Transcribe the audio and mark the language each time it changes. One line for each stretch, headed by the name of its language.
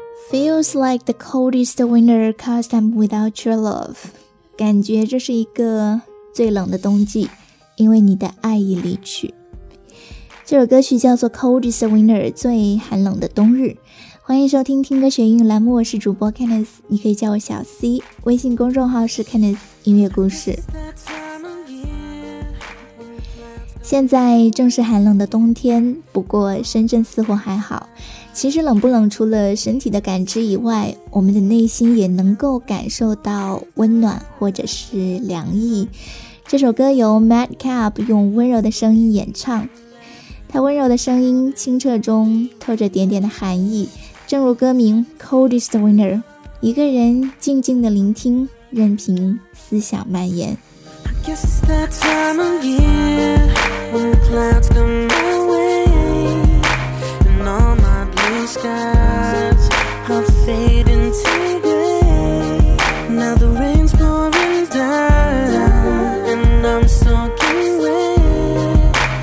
English: Feels like the coldest winter cause I'm without your love.
Chinese: 感觉这是一个最冷的冬季，因为你的爱已离去。这首歌曲叫做 Coldest Winter， 最寒冷的冬日。欢迎收听听歌学英语栏目，我是主播 Kenneth， 你可以叫我小 C， 微信公众号是 Kenneth 音乐故事。现在正是寒冷的冬天，不过深圳似乎还好。其实冷不冷除了身体的感知以外，我们的内心也能够感受到温暖或者是凉意。这首歌由 Madcap 用温柔的声音演唱，他温柔的声音清澈中透着点点的寒意，正如歌名 Coldest Winter， 一个人静静的聆听，任凭思想蔓延。
English: I guess it's that time of year when the clouds come my way and all my blue skies have faded into gray. Now the rain's pouring down and I'm soaking wet.